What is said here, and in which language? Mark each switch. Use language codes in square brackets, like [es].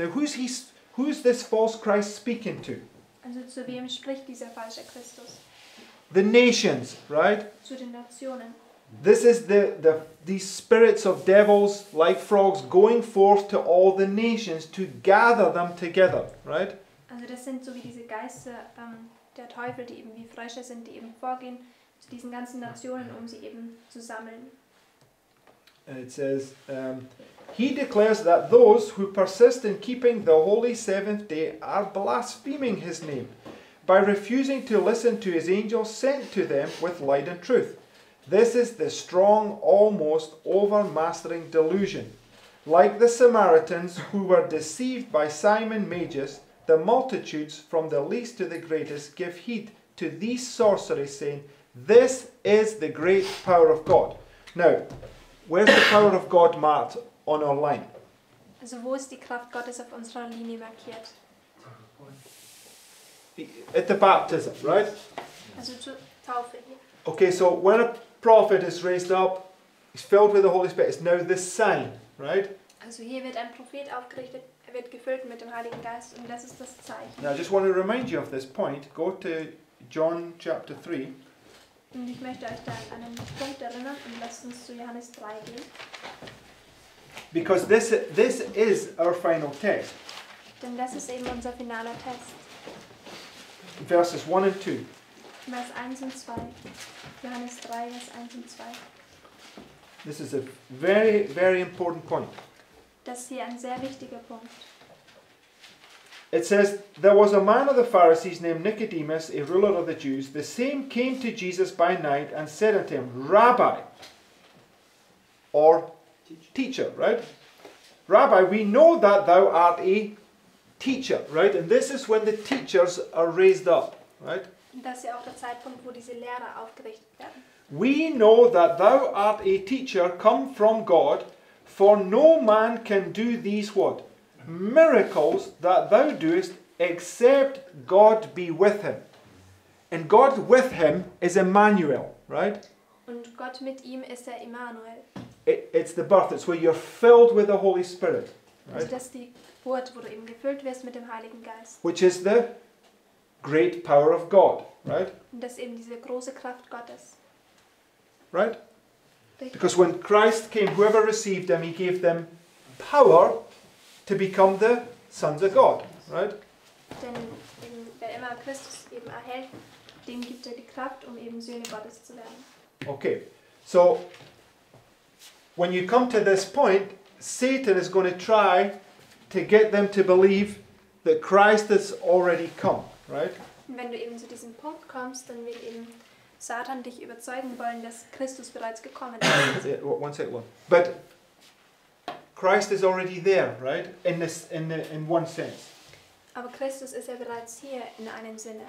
[en] Now, who's this false Christ speaking to? [de] Also, zu wem spricht dieser falsche Christus? [en] The nations, right? [de] Zu den Nationen. [en] This is the spirits of devils, like frogs, going forth to all the nations to gather them together, right? [de] Also, das sind so wie diese Geister der Teufel, die eben wie Frösche sind, die eben vorgehen zu diesen ganzen Nationen, um sie eben zu sammeln. [en] And it says, he declares that those who persist in keeping the holy seventh day are blaspheming his name by refusing to listen to his angels sent to them with light and truth. This is the strong, almost overmastering delusion. Like the Samaritans who were deceived by Simon Magus, the multitudes, from the least to the greatest, give heed to these sorceries, saying, this is the great power of God. Now, where's the power of God marked on our line? [de] Also, wo ist die Kraft Gottes auf unserer Linie markiert? [en] At the baptism, right? [de] Also, zur Taufe. [en] Okay, so when a prophet is raised up, he's filled with the Holy Spirit, it's now the sign, right? [de] Also, hier wird ein Prophet aufgerichtet, er wird gefüllt mit dem Heiligen Geist, und das ist das Zeichen. [en] Now, I just want to remind you of this point. Go to John chapter 3. [de] Und ich möchte euch da an einen Punkt erinnern, und lasst uns zu Johannes 3 gehen. [en] Because this is our final test. [de] Denn das ist eben unser finaler Test. [en] Verses 1 and 2. [de] Vers 1 und 2. Johannes 3, Vers 1 und 2. [en] This is a very, very important point. [de] Das ist hier ein sehr wichtiger Punkt. [en] It says, there was a man of the Pharisees named Nicodemus, a ruler of the Jews. The same came to Jesus by night and said unto him, Rabbi, or teacher, right? Rabbi, we know that thou art a teacher, right? And this is when the teachers are raised up, right? [de] Das ist auch der Zeitpunkt, wo diese Lehrer aufgerichtet werden. [en] We know that thou art a teacher come from God, for no man can do these what? Miracles that thou doest, except God be with him. And God with him is Emmanuel, right? [de] Und Gott mit ihm ist der Emmanuel. [en] It's the birth, it's where you're filled with the Holy Spirit. Right? [de] Also das ist die Geburt, wo du eben gefüllt wirst mit dem Heiligen Geist. [en] Which is the great power of God, right? [de] Und das ist eben diese große Kraft Gottes. [en] Right? Because when Christ came, whoever received him, he gave them power to become the sons of God, right? [de] Denn wer immer Christus eben erhält, dem gibt er die Kraft, um eben Söhne Gottes zu werden. [en] Okay, so when you come to this point, Satan is going to try to get them to believe that Christ has already come, right? [de] Und wenn du eben zu diesem Punkt kommst, dann will eben Satan dich überzeugen wollen, dass Christus bereits gekommen ist. [en] Yeah, one second. But Christ is already there, right? In one sense. [de] Aber Christus ist ja bereits hier in einem Sinne.